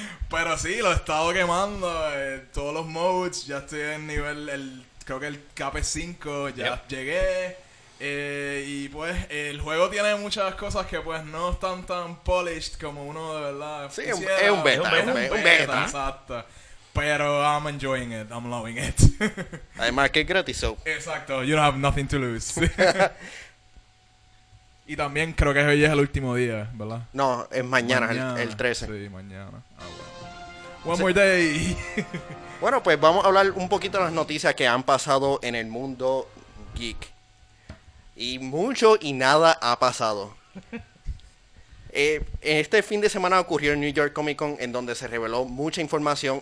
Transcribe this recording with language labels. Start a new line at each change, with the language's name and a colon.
Spanish: Pero sí, lo he estado quemando en todos los modes. Ya estoy en nivel, creo que el KP5, ya yep. Llegué. Y pues el juego tiene muchas cosas que pues no están tan polished como uno de verdad. Sí, es un beta. Exacto.
English: Pero I'm enjoying it, I'm loving it.
Spanish: Además que es gratis, so.
English: Exacto, you don't have nothing to lose.
Spanish: Y también creo que hoy es el último día, ¿verdad? No, es mañana. El 13. Sí, mañana.
English: More day.
Spanish: Bueno, pues vamos a hablar un poquito de las noticias que han pasado en el mundo geek. Y mucho y nada ha pasado. Este fin de semana ocurrió en New York Comic Con, en donde se reveló mucha información.